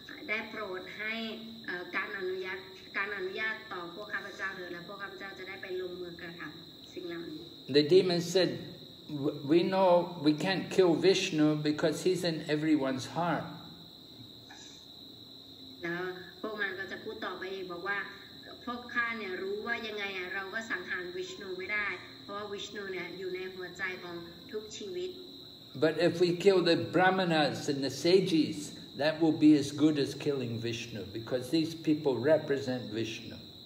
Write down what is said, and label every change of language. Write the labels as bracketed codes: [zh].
[th] ได้โปรดให้การอนุญาตต่อพวกข้าพเจ้าเถิดแล้วพวกข้าพเจ้าจะได้ไปลงมือกระทำสิ่งเหล่านี้ [en] The demon said we know we can't kill Vishnu because he's in everyone's heart [th] แล้วพวกมันก็จะพูดต่อไปบอกว่าพวกข้าเนี่ยรู้ว่ายังไงเราก็สังหารวิษณุไม่ได้เพราะวิษณุเนี่ยอยู่ในหัวใจของทุกชีวิต [en] But if we kill the brahmanas and the sages, that will be as good as killing Vishnu, because these people represent Vishnu.